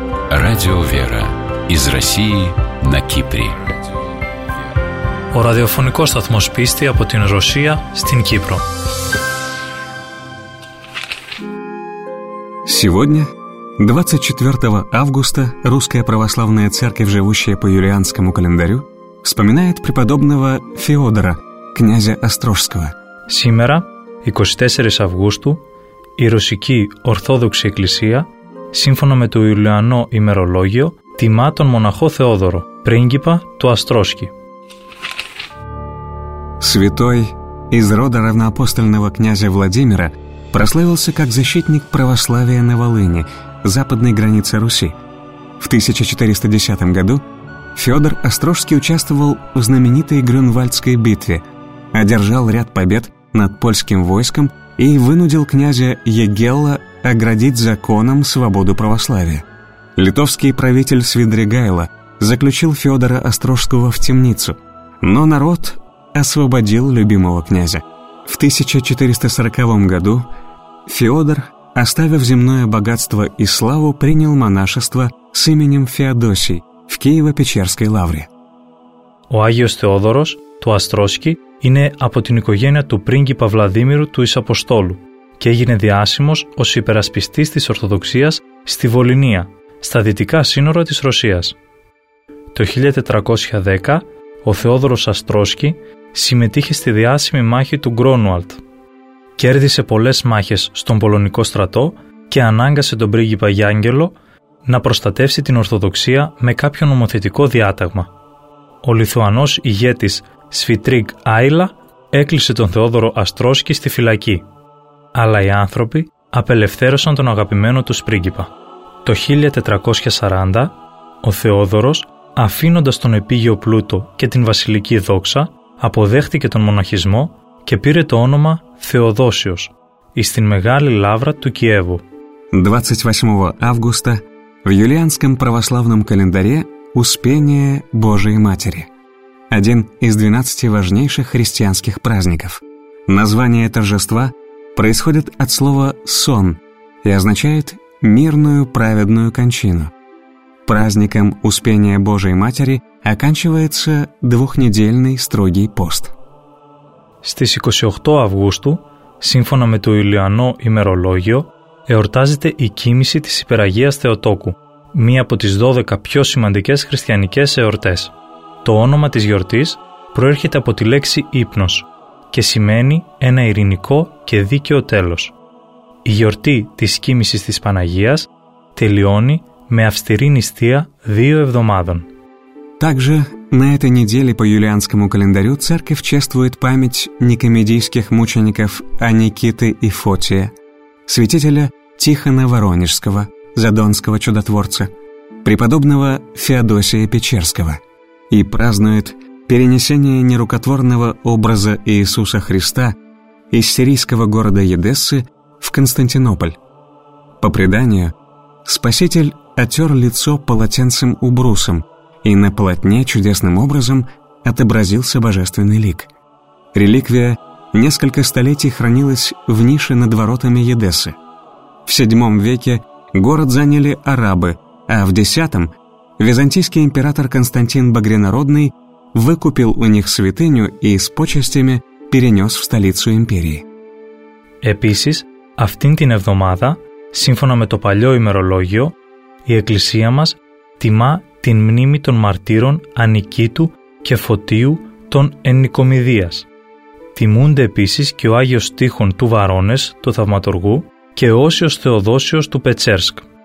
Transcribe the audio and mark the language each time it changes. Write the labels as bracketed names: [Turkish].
[Russian] Радио «Вера» из России на Кипре. [Greek] Ο ραδιοφωνικός σταθμός πίστη από την Ρωσία στην Κύπρο. [Russian] Сегодня, 24 августа, Русская Православная Церковь, живущая по юлианскому календарю, вспоминает преподобного Феодора, князя Острожского. Сегодня, 24 августа, [Greek] η Ρωσική Ορθόδοξη Εκκλησία, σύμφωνα με το Ιουλιανό ημερολόγιο, τιμά τον μοναχό Θεόδωρο, πρίγκιπα του Αστρόσκη. [Russian] Святой из рода равноапостольного князя Владимира прославился как защитник православия на Волыни, западной границе Руси. В 1410 году Фёдор Острожский участвовал в знаменитой Грюнвальдской битве, одержал ряд побед над польским войском и вынудил князя Ягелла оградить законом свободу православия. Литовский правитель Свидригайло заключил Фёдора Острожского в темницу, но народ освободил любимого князя. В 1440 году Феодор, оставив земное богатство и славу, принял монашество с именем Феодосий в Киево-Печерской лавре. [Greek] Ο Άγιος Θεόδωρος του Αστρόσκη είναι από την οικογένεια του πρίγκιπα Βλαδίμηρου του Ισαποστόλου και έγινε διάσημος ως υπερασπιστής της Ορθοδοξίας στη Βολινία, στα δυτικά σύνορα της Ρωσίας. Το 1410 ο Θεόδωρος Αστρόσκη συμμετείχε στη διάσημη μάχη του Γκρόνουαλτ. Κέρδισε πολλές μάχες στον Πολωνικό στρατό και ανάγκασε τον πρίγκιπα Γιάνγκελο να προστατεύσει την Ορθοδοξία με κάποιο νομοθετικό διάταγμα. Ο Λιθουανός ηγέτης Σφιτρίγ Άιλα έκλεισε τον Θεόδωρο Αστρόσκη στη φυλακή, αλλά οι άνθρωποι απελευθέρωσαν τον αγαπημένο τους πρίγκιπα. Το 1440 ο Θεόδωρος, αφήνοντας τον επίγειο πλούτο και την βασιλική δόξα, αποδέχτηκε τον μοναχισμό και πήρε το όνομα Θεοδόσιος εις την Μεγάλη Λαύρα του Κιέβου. 28 Αύγουστα, [Russian] в юлианском православном календаре Успение Божией Матери. Один из 12 важнейших христианских праздников. Название торжества происходит от слова «сон» и означает «мирную праведную кончину». Праздником Успения Божией Матери оканчивается двухнедельный строгий пост. [Greek] Στις 28 Αυγούστου, σύμφωνα με το Ιουλιανό ημερολόγιο, εορτάζεται η κοίμηση της Υπεραγίας Θεοτόκου, μία από τις 12 πιο σημαντικές χριστιανικές εορτές. Το όνομα της γιορτής προέρχεται από τη λέξη ύπνος και σημαίνει ένα ειρηνικό και δίκαιο τέλος. Η γιορτή της κοίμησης της Παναγίας τελειώνει με αυστηρή νηστεία 2 εβδομάδων. [Russian] Также на этой неделе по юлианскому календарю церковь чествует память никомедийских мучеников Аникиты и Фотия, святителя Тихона Воронежского, задонского чудотворца, преподобного Феодосия Печерского, и празднует перенесение нерукотворного образа Иисуса Христа из сирийского города Едессы в Константинополь. По преданию, Спаситель отер лицо полотенцем убрусом и на полотне чудесным образом отобразился божественный лик. Реликвия несколько столетий хранилась в нише над воротами Едессы. В VII веке город заняли арабы, а в X византийский император Константин Багрянородный выкупил у них святыню и с почестями перенес в столицу империи. [Greek] Επίσης, αυτήν την εβδομάδα, σύμφωνα με το παλιό ημερολόγιο, η Εκκλησία μας τιμά την μνήμη των μαρτύρων Ανικήτου και Φωτίου των Ενικομιδίας. Τιμούνται επίσης και ο Άγιος Τείχων του Βαρώνες, του Θαυματουργού, και ο Όσιος Θεοδόσιος του Πετσέρσκ.